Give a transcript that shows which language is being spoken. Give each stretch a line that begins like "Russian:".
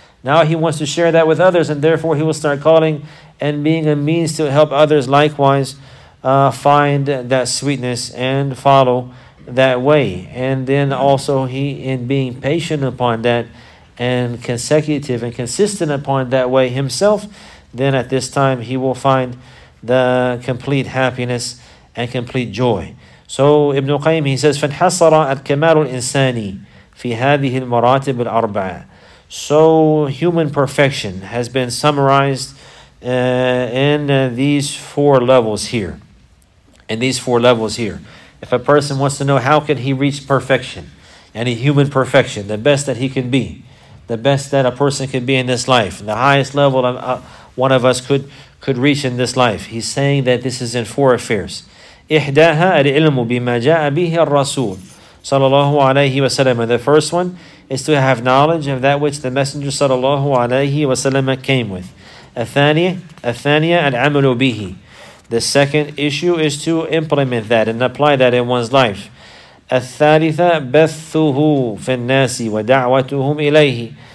English: Now he wants to share that with others, and therefore he will start calling and being a means to help others likewise find that sweetness and follow that way. And then also he, in being patient upon that and consecutive and consistent upon that way himself, then at this time he will find the complete happiness and complete joy. So Ibn Qayyim, he says,
Arabic: فَانْحَصَرَ الْكَمَالُ الْإِنسَانِ فِي هَذِهِ الْمَرَاتِبِ الْأَرْبَعِ.
English: So human perfection has been summarized in these four levels here. If a person wants to know how can he reach perfection, any human perfection, the best that he can be, the best that a person can be in this life, the highest level of one of us could reach in this life, he's saying that this is in four affairs.
Arabic: إِحْدَاهَا الْإِلْمُ بِمَا جَاءَ بِهِ الرَّسُولُ sallallahu alayhi wa sallam.
English: And the first one is to have knowledge of that which the Messenger sallallahu alayhi wa sallam came with.
Arabic: الثانية العمل به.
English: The second issue is to implement that and apply that in one's life.
Arabic: الثالثة بثه في الناس ودعوتهم إليه.